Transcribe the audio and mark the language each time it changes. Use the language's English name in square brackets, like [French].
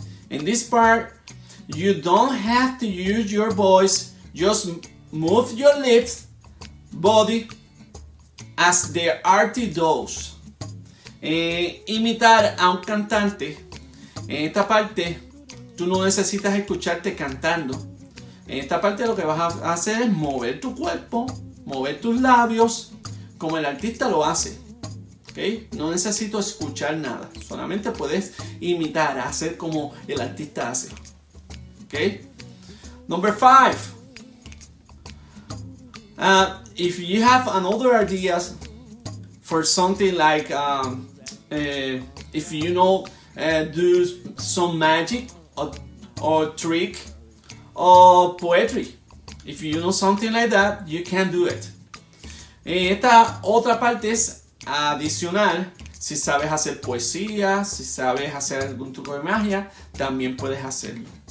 [English] In this part, you don't have to use your voice, just move your lips, body, as the artist does. [Spanish] Imitar a un cantante, en esta parte tú no necesitas escucharte cantando. En esta parte lo que vas a hacer es mover tu cuerpo, mover tus labios como el artista lo hace. ¿Okay? No necesito escuchar nada, solamente puedes imitar, hacer como el artista hace. ¿Okay? [English] Number 5, if you have another ideas for something like if you know, do some magic or trick or poetry. If you know something like that, you can do it. [Spanish] Esta otra parte es adicional. Si sabes hacer poesía, si sabes hacer algún truco de magia, también puedes hacerlo.